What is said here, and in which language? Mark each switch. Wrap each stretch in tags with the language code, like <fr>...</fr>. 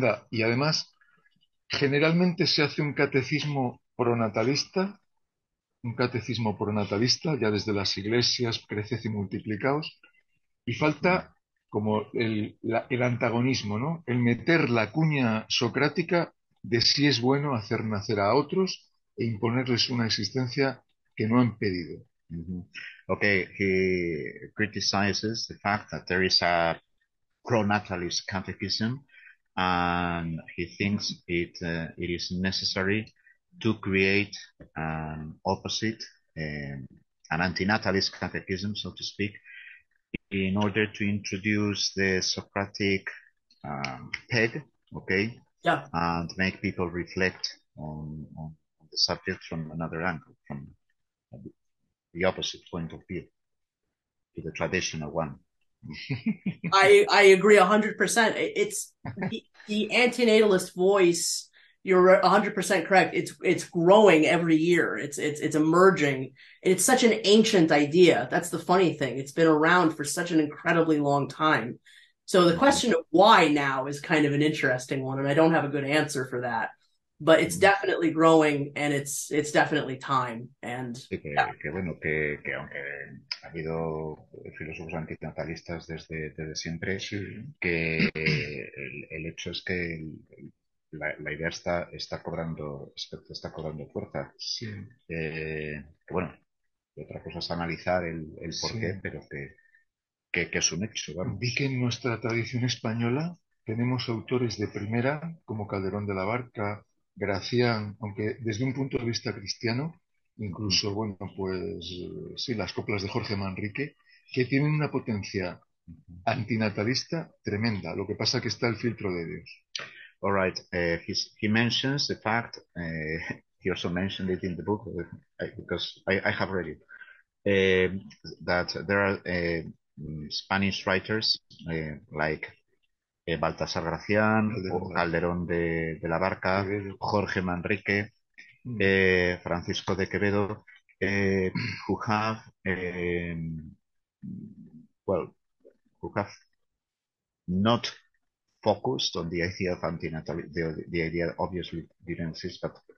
<es>Y además, Amanda, generalmente se hace un catecismo pronatalista, ya desde las iglesias, creced y multiplicaos, y falta como el antagonismo, ¿no? El meter la cuña socrática de si es bueno hacer nacer a otros e imponerles una existencia que no han pedido. Mm-hmm.</es> <en>Okay, he criticizes the fact that there is a pronatalist catechism, and he thinks it is necessary to create an opposite, an antinatalist catechism, so to speak, in order to introduce the Socratic peg, okay, yeah, and make people reflect on the subject from another angle, from the opposite point of view to the traditional one. I agree 100%. It's the antinatalist voice. You're 100% correct. It's growing every year. It's emerging. It's such an ancient idea. That's the funny thing. It's been around for such an incredibly long time. So the question of why now is kind of an interesting one, and I don't have a good answer for that. But it's definitely growing, and it's definitely time. And</en> <es>sí, que bueno, que aunque ha habido filósofos antinatalistas desde siempre, sí. Que el hecho es que la idea está cobrando fuerza. Sí. Que bueno, y otra cosa es analizar el porqué, sí. Pero que es un hecho. Vamos. Vi que en nuestra tradición española tenemos autores de primera, como Calderón de la Barca, Gracián, aunque desde un punto de vista cristiano, incluso, bueno, pues sí, las coplas de Jorge Manrique, que tienen una potencia antinatalista tremenda. Lo que pasa es que está el filtro de Dios.</es> <en>All right. He mentions the fact, he also mentioned it in the book, because I have read it, that there are Spanish writers like Baltasar Gracián, Calderón de la Barca, Jorge Manrique, Francisco de Quevedo, who have not focused on the idea of antinatal, the idea obviously didn't exist, but</en>